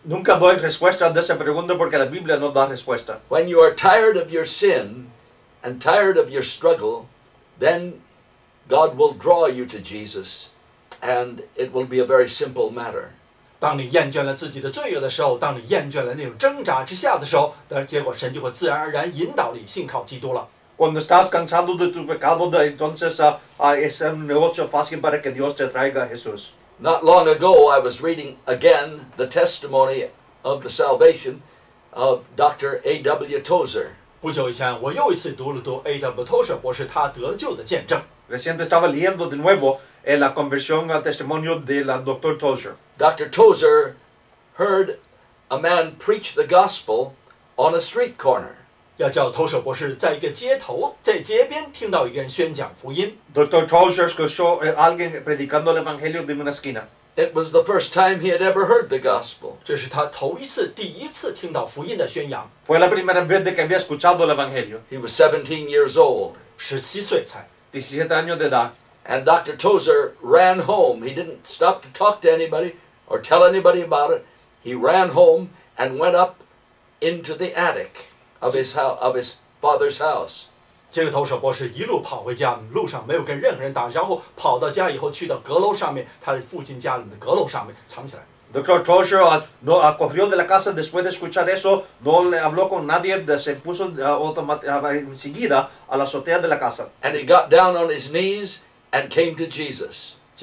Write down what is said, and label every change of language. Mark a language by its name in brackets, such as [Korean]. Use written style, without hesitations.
[Spanish] Nunca doy respuesta a esa pregunta porque la Biblia no da respuesta. [English] When you are tired of your sin and tired of your struggle, then God will draw you to Jesus and it will be a very simple matter. [Chinese] 当你厌倦了自己的罪恶的时候，当你厌倦了那种挣扎之下的时候，但结果神就会自然而然引导你信靠基督了。 [Spanish] cuando estás cansado de tu pecado, entonces es un negocio fácil para que Dios te traiga a Jesús. [English] Not long ago, I was reading again the testimony of the salvation of Dr. A.W. Tozer. [Chinese] 不久以前, 我又一次读了读 A.W. Tozer博士 他得救的见证。 [Spanish] Reciente estaba leyendo de nuevo la conversión al testimonio de la Dr. Tozer. [English] Dr. Tozer heard a man preach the gospel on a street corner. [Chinese] 要叫Tozer博士在一个街头，在街边听到一个人宣讲福音。 [Spanish] Dr. Tozer escuchó a alguien predicando el evangelio de una esquina. [English] It was the first time he had ever heard the gospel. [Chinese] 这是他头一次，第一次听到福音的宣扬。 [Spanish] Fue la primera vez que había escuchado el evangelio. [English] He was 17 years old. [Chinese] 17岁才。 [Spanish] 17 años de edad. [English] And Dr. Tozer ran home. He didn't stop to talk to anybody or tell anybody about it. He ran home and went up into the attic of his father's house. [Chinese] 这个投手博士一路跑回家，路上没有跟任何人打招呼，跑到家以后去到阁楼上面，他的父亲家里的阁楼上面藏起来。Dr. [Spanish] Tozer no corrió de la casa después de escuchar eso, no le habló con nadie, se puso enseguida a la azotea de la casa. [English] And he got down on his knees and came to Jesus.